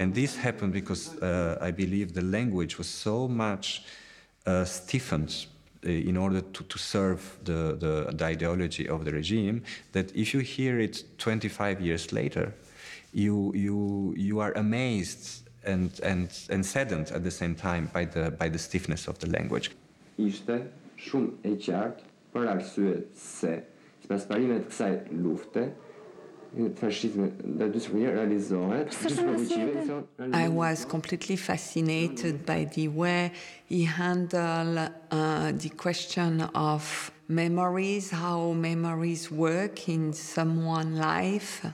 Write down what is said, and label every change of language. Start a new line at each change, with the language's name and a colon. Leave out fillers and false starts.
English: And this happened because I believe the language was so much stiffened in order to serve the ideology of the regime that if you hear it 25 years later, you are amazed and saddened at the same time by the stiffness of the language.
Albanian: Ishte shumë e qartë për arsye se sipas parimeve të kësaj lufte
English: I was completely fascinated by the way he handled the question of memories, how memories work in someone's life.